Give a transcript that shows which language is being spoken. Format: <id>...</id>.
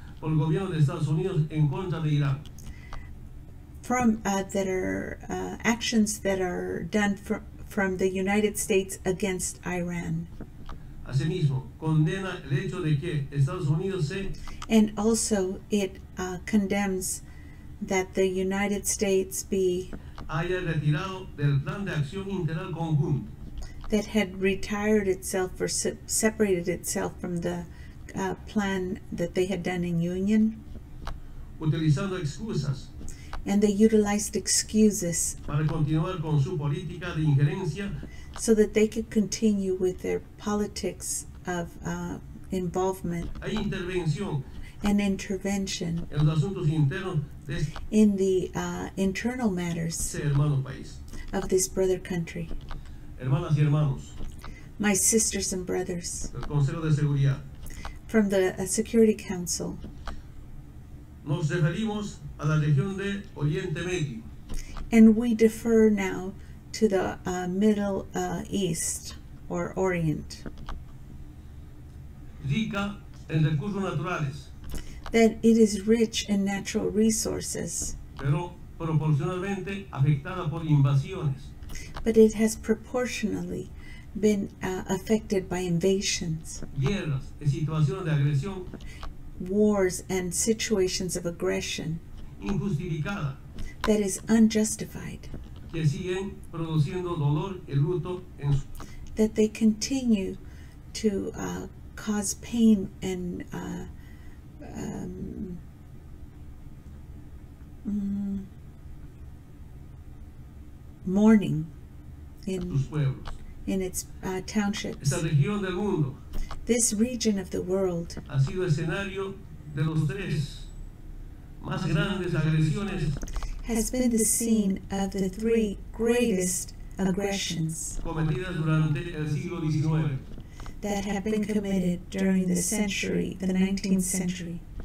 <es>por el gobierno de Estados Unidos en contra de Irán.</es> <en>From that are actions that are done from the United States against Iran.</en> <es>Asimismo, condena el hecho de que Estados Unidos se</es> <en>and also it condemns that the United States be</en> <es>haya retirado del plan de acción integral conjunto.</es> <en>That had retired itself or separated itself from the plan that they had done in union.</en> <es>Utilizando excusas.</es> <en>And they utilized excuses.</en> <es>Para continuar con su política de injerencia.</es> <en>So that they could continue with their politics of involvement.</en> <es>Hay intervención.</es> <en>An intervention.</en> <es>En los asuntos internos de</es> <en>in the internal matters.</en> <es>Ese hermano país.</es> <en>Of this brother country.</en> <es>Hermanas y hermanos.</es> <en>My sisters and brothers.</en> <es>Del Consejo de Seguridad.</es> <en>From the Security Council.</en> <es>Nos referimos a la región de Oriente Medio.</es> <en>And we defer now to the Middle East or Orient.</en> <es>Rica en recursos naturales.</es> <en>That it is rich in natural resources.</en> <es>Pero proporcionalmente afectada por invasiones.</es> <en>But it has proportionally been affected by invasions.</en> <es>Guerras y situaciones de agresión.</es> <en>Wars and situations of aggression.</en> <es>Injustificada.</es> <en>That is unjustified.</en> <es>Que siguen produciendo dolor y luto en su.</es> <en>That they continue to cause pain and mourning in</en> <es>sus pueblos.</es> <en>In its townships.</en> <es>Esta región del mundo.</es> <en>This region of the world.</en> <es>Ha sido escenario de los tres más grandes agresiones.</es> <en>Has been the scene of the three greatest aggressions.</en> <es>Cometidas durante el siglo XIX.</es> <en>That have been committed during the century, the 19th century.</en>